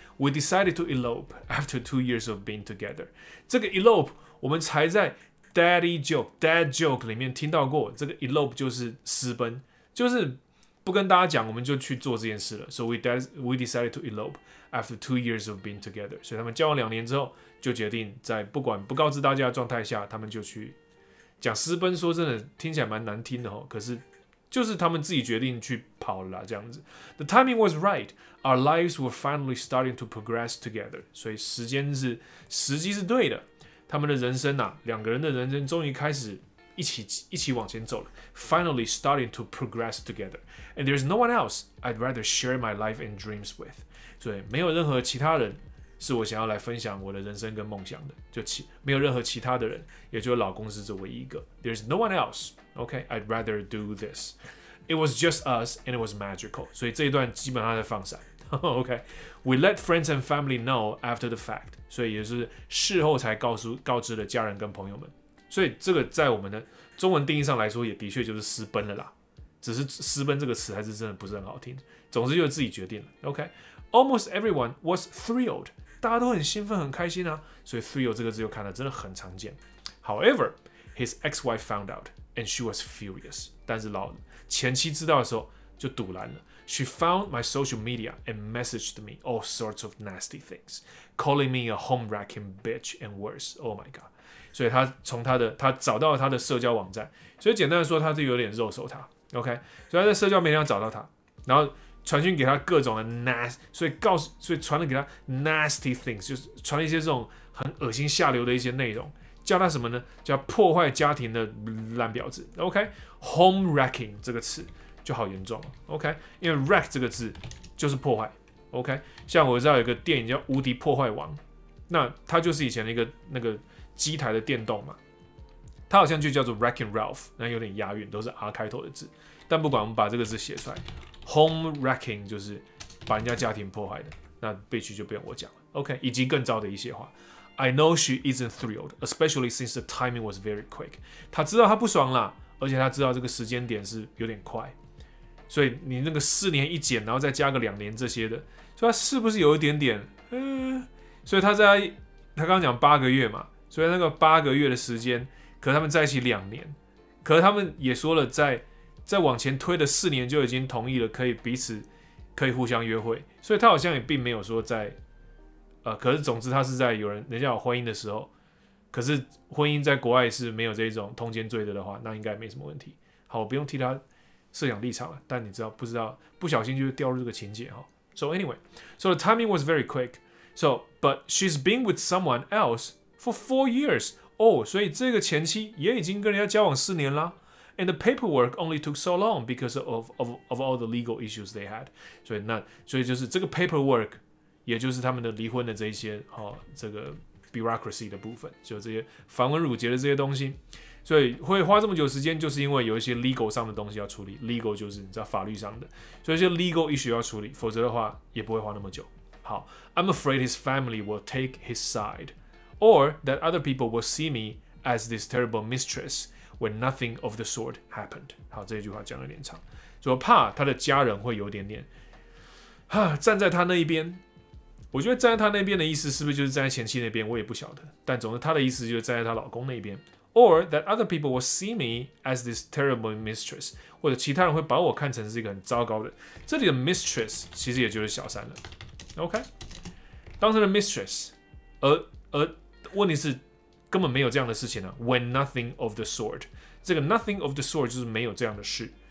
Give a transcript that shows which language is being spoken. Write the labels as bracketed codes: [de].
[en] We decided to elope after 2 years of being together。 [zh] 这个 elope 我们才在 dad joke 里面听到过，这个 elope 就是私奔，就是不跟大家讲，我们就去做这件事了。 [en] So we decided to elope after 2 years of being together。 [zh] 所以他们交往两年之后。就决定在不管不告知大家的状态下，他们就去讲私奔。说真的，听起来蛮难听的哦。可是就是他们自己决定去跑了啦，这样子。 [en] The timing was right. Our lives were finally starting to progress together. [zh] 所以时机是对的。他们的人生啊，两个人的人生终于开始一起往前走了。 [en] Finally starting to progress together. And there's no one else I'd rather share my life and dreams with. [zh] 所以没有任何其他人。是我想要来分享我的人生跟梦想的，就没有任何其他的人，也就老公是这唯一一个。 [en] There's no one else. Okay, I'd rather do this. It was just us, and it was magical. [zh] 所以这一段基本上在放闪。 [en] Okay, we let friends and family know after the fact. [zh] 所以也就是事后才告知了家人跟朋友们。所以这个在我们的中文定义上来说，也的确就是私奔了啦。只是私奔这个词还是真的不是很好听。总之就是自己决定了。 [en] Okay. Almost everyone was thrilled. [zh] 大家都很兴奋，很开心啊。所以 thrill 这个字又看得真的很常见。 [en] However, his ex-wife found out, and she was furious. [zh] 但是老前妻知道的时候就堵拦了。 [en] She found my social media and messaged me all sorts of nasty things, calling me a homewrecking bitch and worse. Oh my god! [zh] 所以他从他找到了他的社交网站。所以简单的说，他就有点肉搜他。 OK， 所以他在社交媒体上找到他，然后。传讯给他各种的 nasty， 所以传了给他 nasty things， 就是传一些这种很恶心下流的一些内容，叫他什么呢？叫破坏家庭的烂婊子。OK，homewrecking 这个词就好严重了。 OK， 因为 wreck 这个字就是破坏。OK， 像我知道有一个电影叫《无敌破坏王》，那他就是以前的一个那个机台的电动嘛，他好像就叫做 wrecking Ralph， 那有点押韵，都是 R 开头的字。但不管，我们把这个字写出来。 Homewrecking 就是把人家家庭破坏的，那悲剧就不用我讲了。OK， 以及更糟的一些话。 I know she isn't thrilled, especially since the timing was very quick. 她知道她不爽啦，而且她知道这个时间点是有点快，所以你那个四年一减，然后再加个两年这些的，所以她是不是有一点点？所以她刚讲八个月嘛，所以那个八个月的时间，可是他们在一起两年，可是他们也说了在往前推的四年就已经同意了，可以彼此可以互相约会，所以他好像也并没有说在，可是总之他是在人家有婚姻的时候，可是婚姻在国外是没有这种通奸罪的话，那应该没什么问题。好，我不用替他设想立场了，但你知道不知道不小心就掉入这个情节哈。 [en] So anyway, so the timing was very quick. So but she's been with someone else for 4 years. [zh] 哦，所以这个前妻也已经跟人家交往四年啦。 [en] And the paperwork only took so long because of all the legal issues they had. [zh] 所以就是这个 paperwork， 也就是他们的离婚的这一些哈、哦，这个 bureaucracy 的部分，就这些繁文缛节的这些东西，所以会花这么久时间，就是因为有一些 legal 上的东西要处理。 Legal 就是你知道法律上的，所以一些 legal issue 要处理，否则的话也不会花那么久。 [en] 好 ，I'm afraid his family will take his side, or that other people will see me as this terrible mistress. When nothing of the sort happened. [zh] 好，这句话讲有点长，就怕他的家人会有点点，哈，站在他那一边。我觉得站在他那边的意思是不是就是站在前妻那边？我也不晓得。但总之，他的意思就是站在他老公那边。 [en] Or that other people will see me as this terrible mistress. [zh] 或者其他人会把我看成是一个很糟糕的。这里的 mistress 其实也就是小三了。OK， 当成了 mistress， 而问题是。根本没有这样的事情啊 ！ [en] When nothing of the sort， [zh] 这个 nothing of the sort 就是没有这样的事。